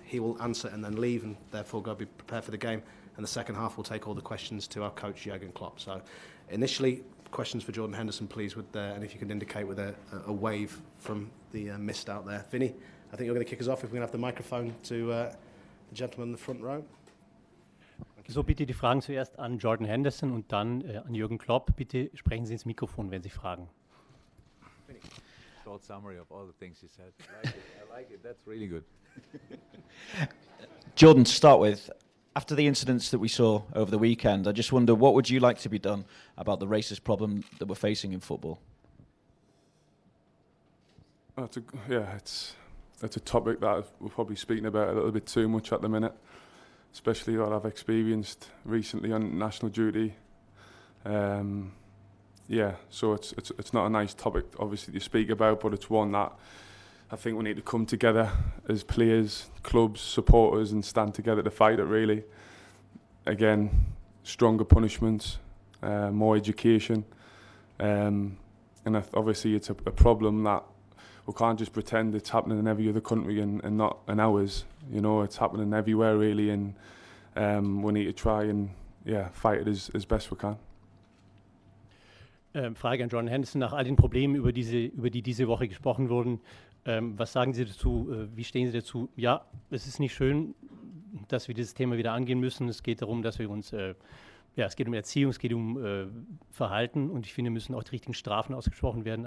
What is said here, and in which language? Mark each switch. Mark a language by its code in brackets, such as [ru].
[en] He will answer and then leave, and therefore got to be prepared for the game. And the second half, we'll take all the questions to our coach, Jurgen Klopp. So initially, questions for Jordan Henderson, please, with the, and if you could indicate with a wave from the mist out there. Vinny, I think you're going to kick us off if we're going to have the microphone to the gentleman in the front row. [de] So bitte die Fragen zuerst an Jordan Henderson und dann an Jürgen Klopp. Bitte sprechen Sie ins Mikrofon, wenn Sie Fragen. [en] Short summary of all the things you said. I like it. That's really good. Jordan, to start with, after the incidents that we saw over the weekend, I just wonder, what would you like to be done about the racist problem that we're facing in football? It's a topic that we're probably speaking about a little bit too much at the minute. Especially what I've experienced recently on national duty. So it's not a nice topic, obviously, to speak about, but it's one that I think we need to come together as players, clubs, supporters, and stand together to fight it, really. Again, stronger punishments, more education. And obviously it's a problem that we can't just pretend it's happening in every other country and not in ours. You know, it's happening everywhere, really, and we need to try and fight it as best we can. [de] Frage an Jordan Henderson: Nach all den Problemen, über die diese Woche gesprochen wurden, was sagen Sie dazu? Wie stehen Sie dazu? Ja, es ist nicht schön, dass wir dieses Thema wieder angehen müssen. Es geht darum, dass wir uns es geht um Erziehung, es geht um Verhalten, und ich finde, müssen auch die richtigen Strafen ausgesprochen werden.